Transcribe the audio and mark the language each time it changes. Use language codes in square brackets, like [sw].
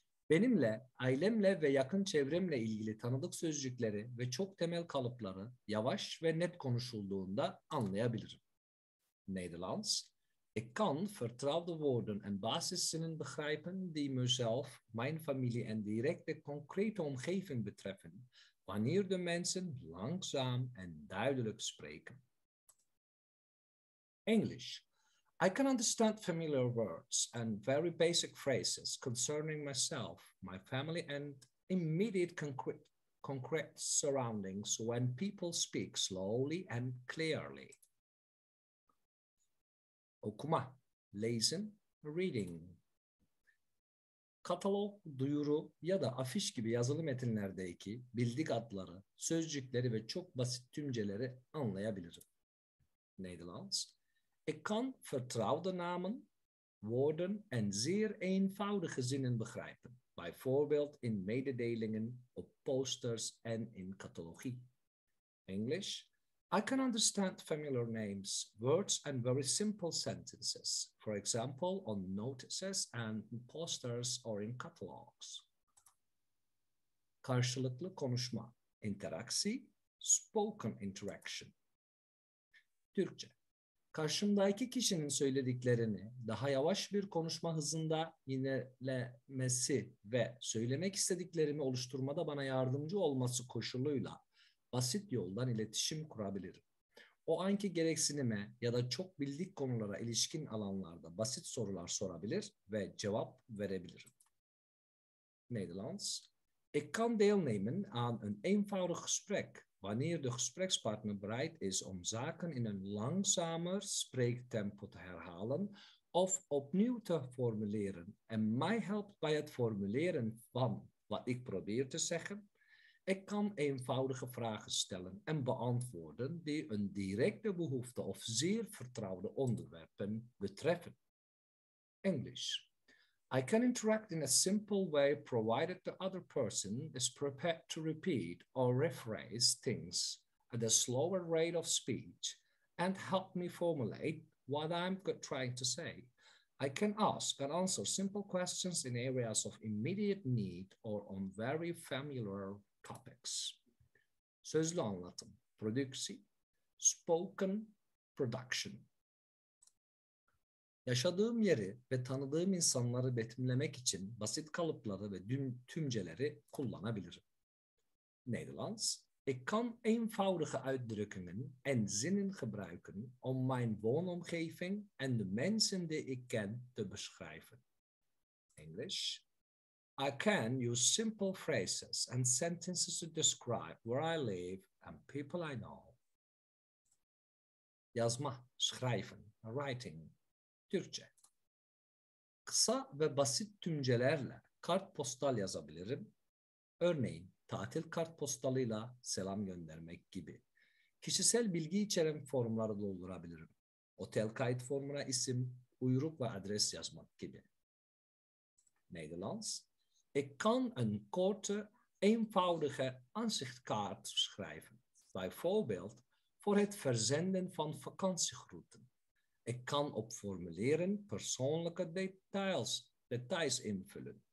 [tr] Benimle, ailemle ve yakın çevremle ilgili tanıdık sözcükleri ve çok temel kalıpları yavaş ve net konuşulduğunda anlayabilirim. [nl] Nederlands. Ik kan vertrouwde woorden en basiszinnen begrijpen die mezelf, mijn familie en directe concrete omgeving betreffen, wanneer de mensen langzaam en duidelijk spreken. Engels. [en] I can understand familiar words and very basic phrases concerning myself, my family, and immediate concrete surroundings when people speak slowly and clearly. [tr] Okuma, [nl] lezen, [en] reading. [tr] Katalog, duyuru ya da afiş gibi yazılı metinlerdeki bildik adları, sözcükleri ve çok basit tümceleri anlayabilirim. [nl] Nederlands. Ik kan vertrouwde namen, woorden en zeer eenvoudige zinnen begrijpen. Bijvoorbeeld in mededelingen, op posters en in catalogie. Engels. [en] I can understand familiar names, words and very simple sentences. For example, on notices and posters or in catalogs. [tr] Karşılıklı konuşma. [nl] Interactie. [en] Spoken interaction. [tr] Türkçe. Karşımdaki kişinin söylediklerini daha yavaş bir konuşma hızında yinelemesi ve söylemek istediklerimi oluşturmada bana yardımcı olması koşuluyla basit yoldan iletişim kurabilirim. O anki gereksinime ya da çok bildik konulara ilişkin alanlarda basit sorular sorabilir ve cevap verebilirim. [nl] Nederlands. Ik kan deelnemen aan een eenvoudig gesprek. Wanneer de gesprekspartner bereid is om zaken in een langzamer spreektempo te herhalen of opnieuw te formuleren en mij helpt bij het formuleren van wat ik probeer te zeggen, ik kan eenvoudige vragen stellen en beantwoorden die een directe behoefte of zeer vertrouwde onderwerpen betreffen. Engels. [en] I can interact in a simple way provided the other person is prepared to repeat or rephrase things at a slower rate of speech and help me formulate what I'm trying to say. I can ask and answer simple questions in areas of immediate need or on very familiar topics. [tr] Sözlü anlatım, [nl] productie, [en] spoken production. [tr] Yaşadığım yeri ve tanıdığım insanları betimlemek için basit kalıpları ve tümceleri kullanabilirim. [nl] Nederlands. Ik kan eenvoudige uitdrukkingen en zinnen gebruiken om mijn woonomgeving en de mensen die ik ken te beschrijven. Engels. [en] I can use simple phrases and sentences to describe where I live and people I know. [tr] Yazma, [nl] schrijven, [en] writing, [tr] Türkçe. Kısa ve basit tümcelerle kartpostal yazabilirim. Örneğin, tatil kartpostalıyla selam göndermek gibi. Kişisel bilgi içeren formları doldurabilirim. Otel kayıt formuna isim, uyruk ve adres yazmak gibi. [nl] Nederlands. Ik kan een korte, eenvoudige aanzichtkaart schrijven. Bijvoorbeeld voor het verzenden van vakantiegroeten. Ik kan op formulieren persoonlijke details invullen.